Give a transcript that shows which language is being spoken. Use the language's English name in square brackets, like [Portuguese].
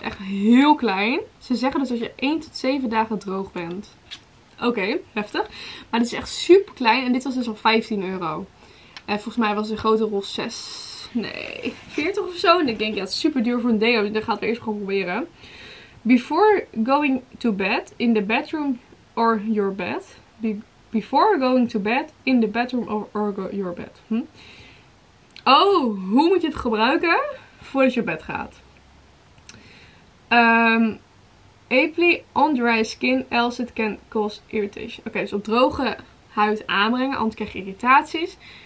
[Dutch] Echt heel klein. Ze zeggen dus dat je 1 tot 7 dagen droog bent. Oké, heftig. Maar dit is echt super klein. En dit was dus al 15 euro. En volgens mij was de grote rol 6. Nee, 40 of zo. En ik denk, ja, het is super duur voor een deo. Dus dan gaan we eerst gewoon proberen. [English] Before going to bed in the bedroom or your bed. Before going to bed in the bedroom or your bed. [Dutch] Oh, hoe moet je het gebruiken voordat je op bed gaat? [English] Apply on dry skin else it can cause irritation. [Dutch] Oké, dus op droge huid aanbrengen, anders krijg je irritaties.